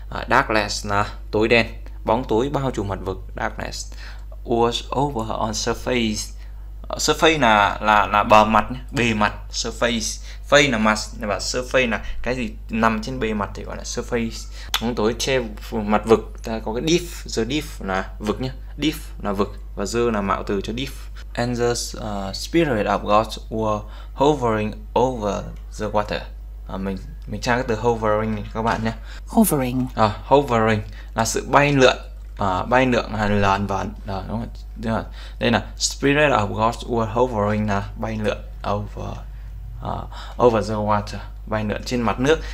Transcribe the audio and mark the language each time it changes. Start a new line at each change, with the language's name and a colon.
Vietnamese: Darkness là tối đen, bóng tối bao trùm mặt vực.
English: Darkness was over on surface.
Vietnamese: Surface là bề mặt, bề mặt. Surface, face là mặt và surface là cái gì nằm trên bề mặt thì gọi là surface. Bóng tối che mặt vực, ta có cái diff, the diff là vực nhé, diff là vực và the là mạo từ cho diff.
English: And the spirit of God were hovering over the water.
Vietnamese: Mình tra cái từ hovering các bạn nhé.
English: Hovering.
Vietnamese: Hovering là sự bay lượn. Bay lượn là lần và đúng rồi. Đúng rồi. Đây là
English: spirit of God were hovering
Vietnamese: là bay lượn
English: over over the water,
Vietnamese: bay lượn trên mặt nước.